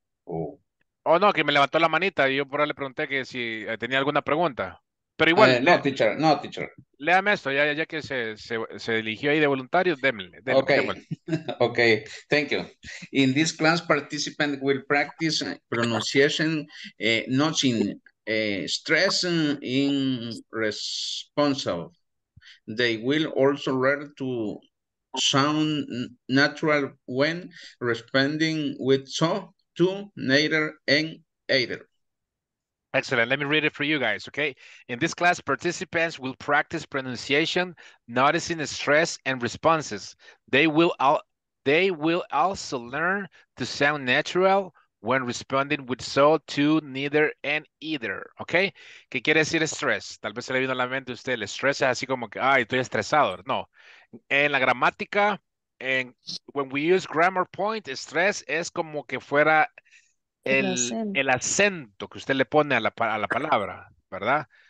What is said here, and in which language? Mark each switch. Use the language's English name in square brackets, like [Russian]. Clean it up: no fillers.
[Spanish] Oh, no, que me levantó la manita y yo por ahí le pregunté que si tenía alguna pregunta. Pero igual. [English] No, teacher. [Spanish] Léame esto, ya que se eligió ahí de voluntarios, démele. [English] Okay, thank you. In this class, participant will practice pronunciation, not in stress and in responsive. They will also learn to sound natural when responding with so, to, neither, and either. Excellent. Let me read it for you guys, okay? In this class, participants will practice pronunciation, noticing the stress and responses. They will also learn to sound natural when responding with so, to, neither, and either, okay? [Spanish] ¿Qué quiere decir stress? Tal vez se le vino a la mente a usted, el stress es así como que, ay, estoy estresado. No. En la gramática, en, [English] when we use grammar point, [Spanish] stress es como que fuera el acento que usted le pone a la palabra, ¿verdad?